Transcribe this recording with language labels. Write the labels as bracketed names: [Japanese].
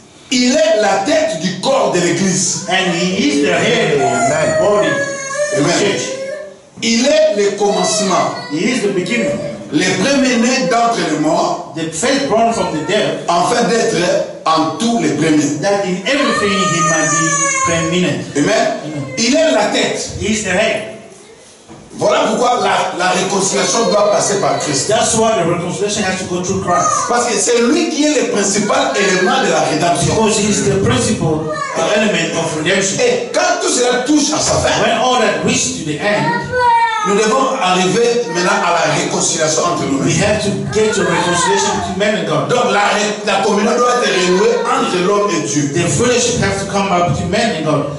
[French] Il est la tête du corps de l'église. [English] And he is the head of the body. [French] Amen. Il est le commencement. [English] He is the beginning. [French] Le premier-né d'entre les morts. [English] The first born from the dead. [French] Afin d'être en tout le premier. [English] That in everything he might be preeminent. [French] Amen. Il est la tête. [English] He is the head. [French] Voilà pourquoi la réconciliation doit passer par Christ. [English] That's why the reconciliation has to go through Christ. [French] Parce que c'est lui qui est le principal élément de la rédemption. [English] Because he is the principal element of redemption. [French] Et quand tout cela touche à sa fin, [English] when all that reaches to the end, [French] nous devons arriver maintenant à la réconciliation entre nous. [English] We have to get to reconciliation between man and God. [French] Donc la communion doit être renouée entre l'homme et Dieu. [English] The fellowship has to come back between man and God.